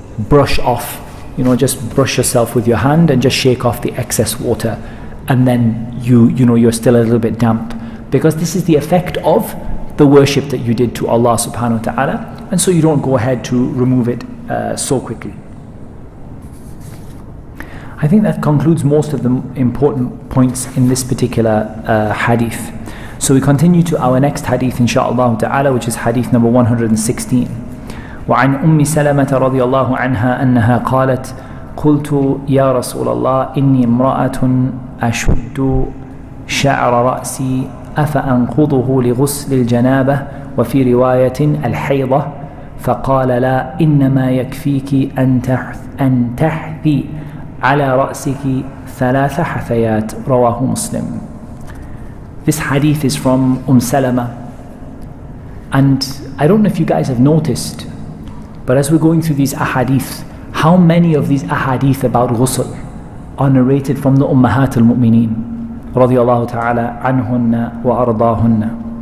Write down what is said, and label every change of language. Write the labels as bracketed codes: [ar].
[en] brush off, you know, just brush yourself with your hand and just shake off the excess water, and then you know you're still a little bit damp, because this is the effect of the worship that you did to Allah subhanahu wa ta'ala, and so you don't go ahead to remove it so quickly. I think that concludes most of the important points in this particular hadith. So we continue to our next hadith insha'Allah ta'ala, which is hadith number 116. [ar] وعن أم سلمة رضي الله عنها أنها قالت قلت يا رسول الله إني امرأة أشد شعر رأسي أفأنقضه لغسل الجنابة وفي رواية الحيضة فقال لا إنما يكفيك أن تحثي على رأسك ثلاث حثيات رواه مسلم. [en] This hadith is from Salama, and I don't know if you guys have noticed, but as we're going through these ahadith, how many of these ahadith about ghusl are narrated from the Ummahat al-Mu'mineen [ar] radiallahu ta'ala anhunna wa ardaahunna?